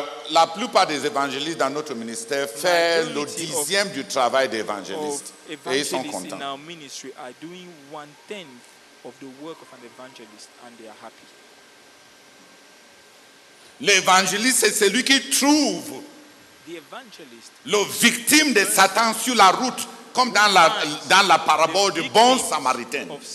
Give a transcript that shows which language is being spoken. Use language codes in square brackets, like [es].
[fr] La plupart des évangélistes dans notre ministère font le dixième du travail d'évangéliste et ils sont contents. [en] In our ministry are doing one tenth of the work of an evangelist and they are happy. [fr] L'évangéliste c'est celui qui trouve le victime de Satan sur la route, comme dans la parabole du bon samaritain.